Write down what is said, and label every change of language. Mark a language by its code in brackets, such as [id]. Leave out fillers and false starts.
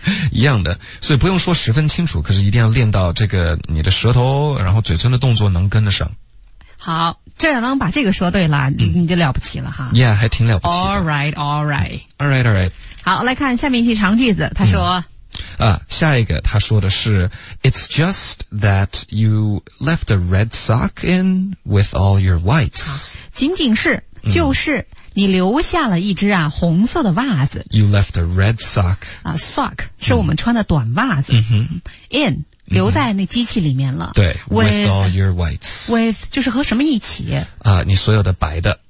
[zh] 一样的，所以不用说十分清楚，可是一定要练到这个你的舌头然后嘴唇的动作能跟得上。好，这样能把这个说对了、嗯、你就了不起了哈。 Yeah, 还挺了不起的。 [en] Alright, alright. Alright, alright. [zh] 好，来看下面一句长句子，他说、嗯、啊，下一个他说的是 [en] It's just that you left a red sock in with all your whites. [zh] 仅仅是就是、嗯你留下了一只啊红色的袜子。 [en] You left a red sock. [zh] 啊 ,sock, 是我们穿的短袜子。嗯、 in, 留在那机器里面了。 [en] 对 ,with all your whites. [zh] With, 就是和什么一起啊你所有的白的。